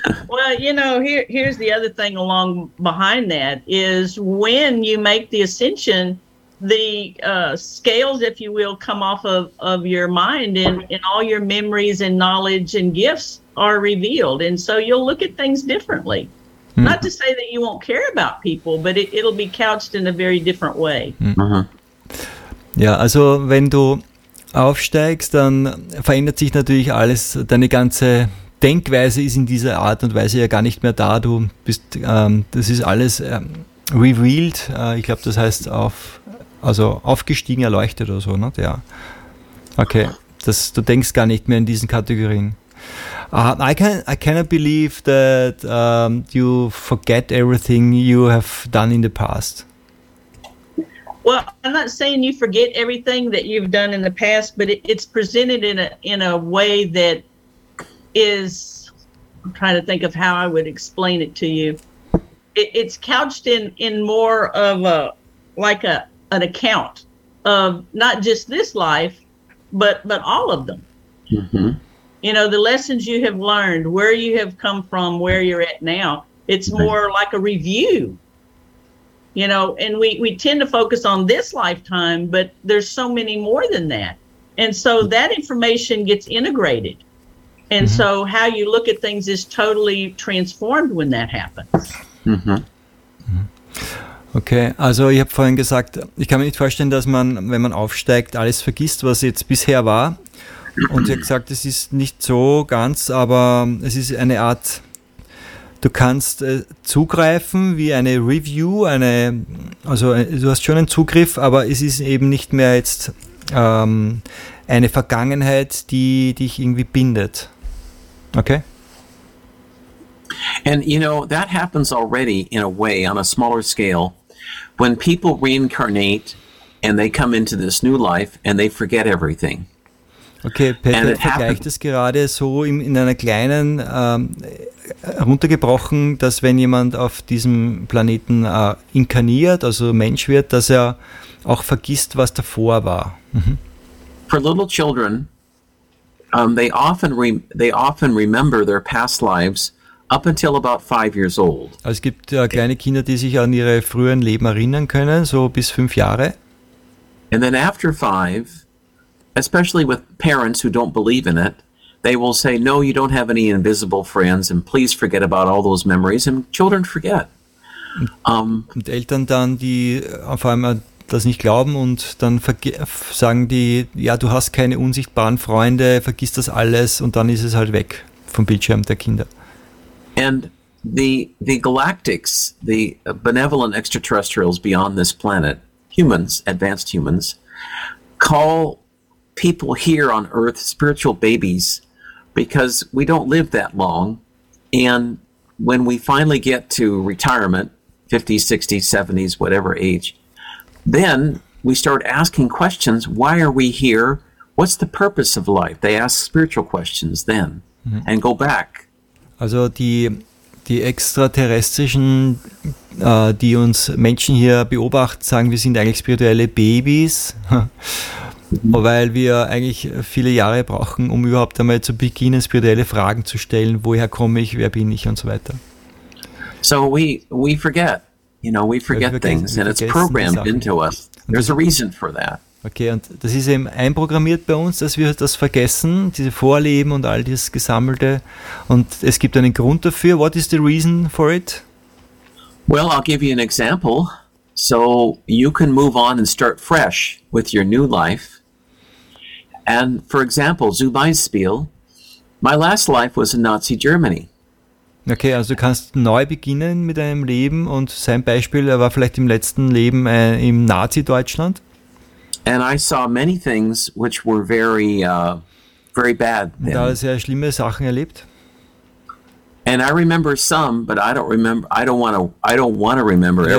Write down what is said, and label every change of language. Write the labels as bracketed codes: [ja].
[en] Well, you know, here's the other thing along behind that is when you make the ascension, the scales, if you will, come off of your mind and all your memories and knowledge and gifts are revealed. And so you'll look at things differently. Mm. Not to say that you won't care about people, but it'll be couched in a very different way. Mm-hmm. [de] Ja, also wenn du aufsteigst, dann verändert sich natürlich alles. Deine ganze Denkweise ist in dieser Art und Weise ja gar nicht mehr da. Du bist, das ist alles revealed. Ich glaube, das heißt aufgestiegen, erleuchtet oder so. Nicht? Ja. Okay, du denkst gar nicht mehr in diesen Kategorien. [en] I cannot believe that you forget everything you have done in the past. Well, I'm not saying you forget everything that you've done in the past, but it's presented in a way that is, I'm trying to think of how I would explain it to you. It's couched in more of a, like a, an account of not just this life, but all of them. Mm-hmm. You know, the lessons you have learned, where you have come from, where you're at now, it's more like a review. You know, and we tend to focus on this lifetime, but there's so many more than that. And so that information gets integrated. And mm-hmm. so how you look at things is totally transformed when that happens. Mm-hmm. [de] Okay, also ich habe vorhin gesagt, ich kann mir nicht vorstellen, dass man, wenn man aufsteigt, alles vergisst, was jetzt bisher war. Und sie hat gesagt, es ist nicht so ganz, aber es ist eine Art, du kannst zugreifen wie eine Review, du hast schon einen Zugriff, aber es ist eben nicht mehr jetzt eine Vergangenheit, die dich irgendwie bindet. Okay? [en] And you know, that happens already in a way, on a smaller scale, when people reincarnate and they come into this new life and they forget everything. [de] Okay, Peter vergleicht es gerade so in einer kleinen, runtergebrochen, dass wenn jemand auf diesem Planeten inkarniert, also Mensch wird, dass er auch vergisst, was davor war. Mhm. [en] For little children, they often remember their past lives up until about 5 years old. [de] Also es gibt kleine Kinder, die sich an ihre früheren Leben erinnern können, so bis 5 Jahre. [en] And then after 5, especially with parents who don't believe in it, they will say, no, you don't have any invisible friends, and please forget about all those memories, and children forget. [de] Und Eltern dann, die auf einmal das nicht glauben und dann sagen die, ja, du hast keine unsichtbaren Freunde, vergiss das alles, und dann ist es halt weg vom Bildschirm der Kinder. [en] And the galactics, the benevolent extraterrestrials beyond this planet, humans, advanced humans, call people here on Earth spiritual babies, because we don't live that long, and when we finally get to retirement, 50s, 60s, 70s, whatever age, then we start asking questions. Why are we here? What's the purpose of life? They ask spiritual questions then and go back. [de] Also die Extraterrestrischen, die uns Menschen hier beobachten, sagen, wir sind eigentlich spirituelle Babys, weil wir eigentlich viele Jahre brauchen, um überhaupt einmal zu beginnen, spirituelle Fragen zu stellen. Woher komme ich? Wer bin ich? Und so weiter. [en] So we forget. You know, we forget things, and it's programmed into us. There's a reason for that. [de] Okay, und das ist eben einprogrammiert bei uns, dass wir das vergessen, diese Vorleben und all dieses Gesammelte. Und es gibt einen Grund dafür. [en] What is the reason for it? Well, I'll give you an example. So you can move on and start fresh with your new life. And for example, [de] zum Beispiel, [en] my last life was in Nazi Germany. [de] Okay, also du kannst neu beginnen mit deinem Leben, und sein Beispiel, er war vielleicht im letzten Leben im Nazi-Deutschland. [en] And I saw many things which were very, very bad then. [de] Da hat er sehr schlimme Sachen erlebt. [en] And I remember some, but I don't remember, I don't want to remember everything.